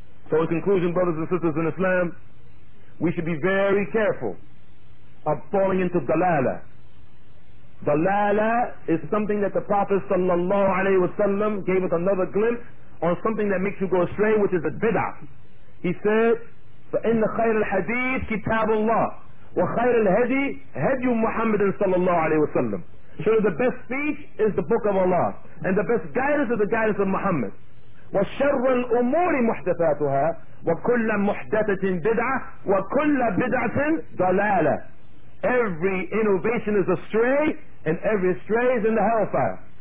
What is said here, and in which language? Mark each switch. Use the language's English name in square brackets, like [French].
[English] So in conclusion, brothers and sisters in Islam, we should be very careful of falling into dalala. Dalala is something that the Prophet sallallahu alayhi wa sallam gave us another glimpse on, something that makes you go astray, which is a bid'ah. He said, [Arabic] فَإِنَّ خَيْرَ الْحَدِيثِ كِتَابُ اللَّهِ وَخَيْرَ الْهَدِي هَدْيُ مُحَمَّدٍ sallallahu alayhi wa sallam. [English] Surely the best speech is the book of Allah, and the best guidance is the guidance of Muhammad. [Arabic] وَشَرَّ الْأُمُورِ مُحْدَثَاتُهَا وَكُلَّ مُحْدَثَةٍ بِدْعَةٍ وَكُلَّ بِدْعَةٍ ضَلَالَةٍ. [English] Every innovation is astray, and every astray is in the hellfire.